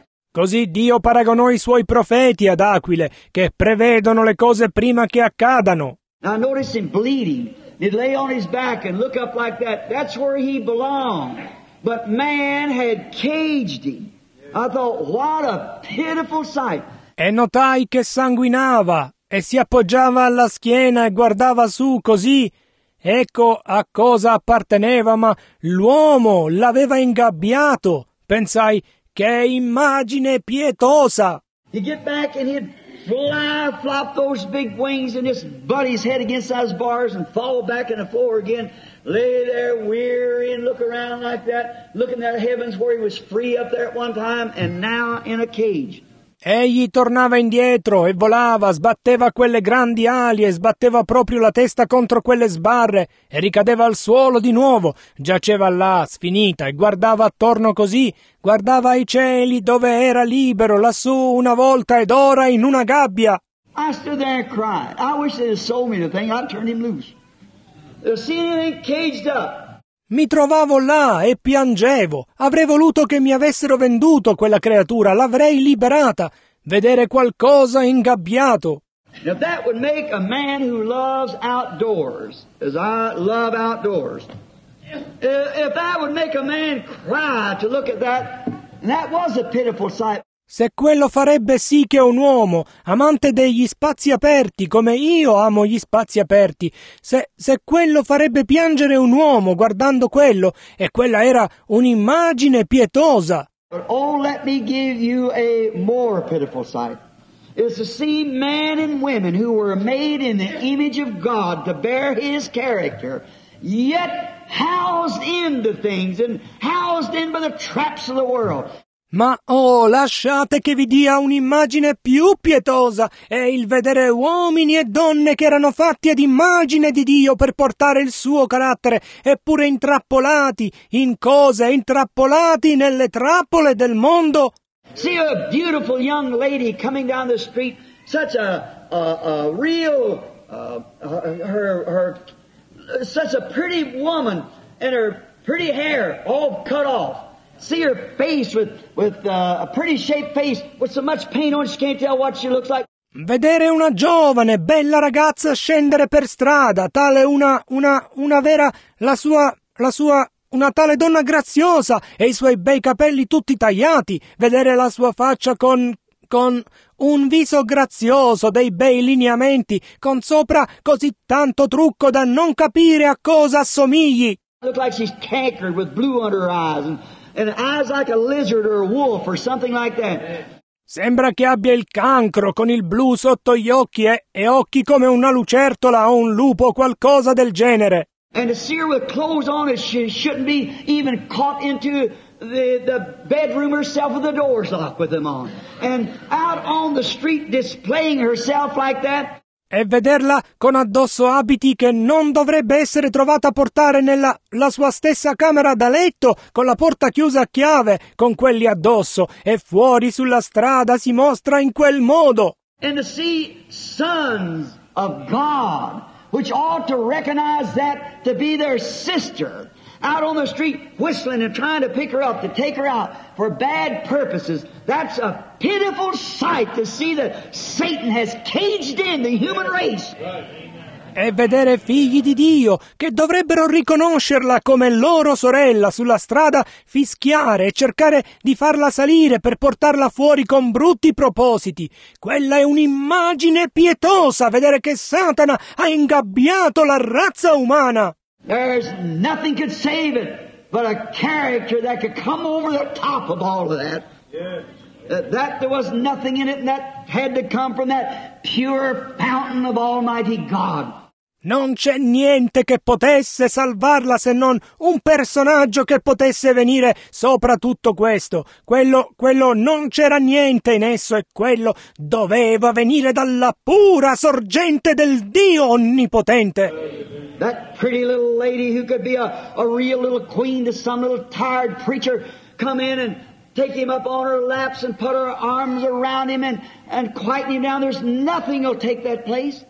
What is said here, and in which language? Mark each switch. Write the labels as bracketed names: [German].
[Italian] Così Dio paragonò i suoi profeti ad aquile, che prevedono le cose prima che accadano. [English] Now notice him bleeding, he lay on his back and look up like that, that's where he belonged. But man had caged him. I thought, what a pitiful sight. [Italian] E notai che sanguinava e si appoggiava alla schiena e guardava su così. Ecco a cosa apparteneva, ma l'uomo l'aveva ingabbiato. Pensai, che immagine pietosa. [English] He'd get back and he'd fly, flop those big wings and just butt his head against those bars and fall back in the floor again. Lay there weary and look around like that, looking at the heavens where he was free up there at one time and now in a cage. [Italian] Egli tornava indietro e volava, sbatteva quelle grandi ali e sbatteva proprio la testa contro quelle sbarre e ricadeva al suolo di nuovo. Giaceva là, sfinita, e guardava attorno così, guardava i cieli dove era libero, lassù una volta ed ora in una gabbia. [English] I stood there and cried. I wish they had sold me the thing, I'd turn him loose. They're seeing him caged up. [Italian] Mi trovavo là e piangevo. Avrei voluto che mi avessero venduto quella creatura, l'avrei liberata. Vedere qualcosa ingabbiato. [English] Now that would make a man who loves outdoors, as I love outdoors. If that would make a man cry to look at that, and that was a pitiful sight. [Italian] Se quello farebbe sì che un uomo, amante degli spazi aperti, come io amo gli spazi aperti, se quello farebbe piangere un uomo guardando quello, e quella era un'immagine pietosa. [English] But oh, let me give you a more pitiful sight. It's to see men and women who were made in the image of God to bear His character, yet housed in the things and housed in by the traps of the world. [Italian] Ma oh, lasciate che vi dia un'immagine più pietosa, è il vedere uomini e donne che erano fatti ad immagine di Dio per portare il suo carattere, eppure intrappolati in cose, intrappolati nelle trappole del mondo. [English] See a beautiful young lady coming down the street, such a real her such a pretty woman, and her pretty hair all cut off. See her face with a pretty shaped face with so much paint on, she can't tell what she looks like. [Italian] Vedere una giovane bella ragazza scendere per strada, tale una vera la sua una tale donna graziosa e i suoi bei capelli tutti tagliati, vedere la sua faccia con un viso grazioso, dei bei lineamenti, con sopra così tanto trucco da non capire a cosa assomigli. [English] Look like she's cankered with blue under her eyes and eyes like a lizard or a wolf or something like that. [Italian] Sembra che abbia il cancro con il blu sotto gli occhi e occhi come una lucertola o un lupo o qualcosa del genere. [English] And to see her with clothes on that she shouldn't be even caught into the bedroom herself with the doors locked with them on. And out on the street displaying herself like that. [Italian] E vederla con addosso abiti che non dovrebbe essere trovata a portare nella la sua stessa camera da letto, con la porta chiusa a chiave, con quelli addosso, e fuori sulla strada si mostra in quel modo. [English] And to see sons of God, which ought to recognize that to be their sister, out on the street whistling and trying to pick her up, to take her out for bad purposes. That's a pitiful sight to see that Satan has caged in the human race. [Italian] E vedere figli di Dio che dovrebbero riconoscerla come loro sorella sulla strada, fischiare e cercare di farla salire per portarla fuori con brutti propositi. Quella è un'immagine pietosa, vedere che Satana ha ingabbiato la razza umana. [English] There's nothing could save it but a character that could come over the top of all of that. Yes. That there was nothing in it, and that had to come from that pure fountain of Almighty God. [Italian] Non c'è niente che potesse salvarla se non un personaggio che potesse venire sopra tutto questo. Quello non c'era niente in esso, e quello doveva venire dalla pura sorgente del Dio Onnipotente. [English] That pretty little lady who could be a real little queen to some little tired preacher, come in and take him up on her laps and put her arms around him and quieten him down. There's nothing will take that place.